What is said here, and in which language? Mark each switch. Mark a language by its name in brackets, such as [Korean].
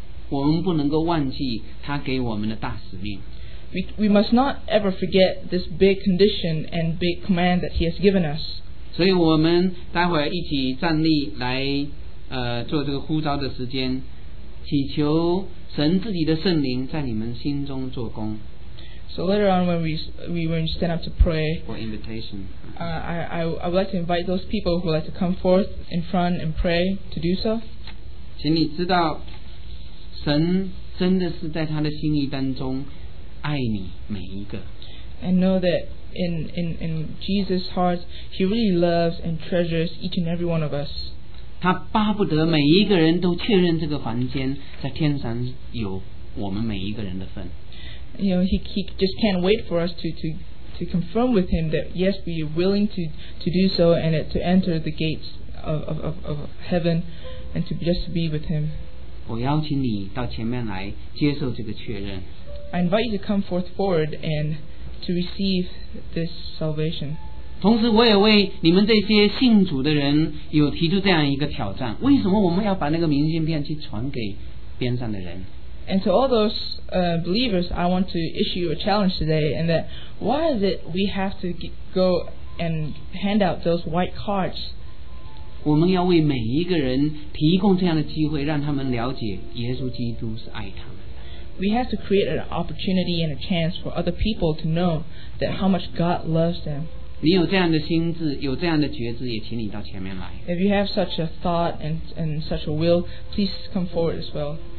[Chinese] 我们不能够忘记他给我们的大使命。 [English] We must not ever forget this big condition and big command that He has given us. [Chinese] 所以我们待会儿一起站立来做这个呼召的时间，祈求神自己的圣灵在你们心中做工。 [English] So later on when we stand up to pray for invitation, I would like to invite those people who would like to come forth in front and pray to do so. [Chinese] 请你知道神真的是在他的心意当中爱你每一个。 [English] And know thatIn Jesus' heart, He really loves and treasures each and every one of us. [Chinese] 他巴不得每一个人都确认这个房间在天上有我们每一个人的份。 [English] You know, he just can't wait for us to confirm with Him that yes, we are willing to do so and to enter the gates of heaven and to just be with Him. [Chinese] 我邀请你到前面来接受这个确认。 [English] I invite you to come forward and to receive this salvation. [Chinese] 同时我也为你们这些信主的人有提出这样一个挑战，为什么我们要把那个明信片去传给边上的人？ [English] And to all those believers, I want to issue a challenge today, and that why is it we have to go and hand out those white cards? [Chinese] 我们要为每一个人提供这样的机会，让他们了解耶稣基督是爱他们。 [English] We have to create an opportunity and a chance for other people to know that how much God loves them. [Chinese] 你有这样的心智，有这样的觉知，也请你到前面来。 [English] If you have such a thought and such a will, please come forward as well.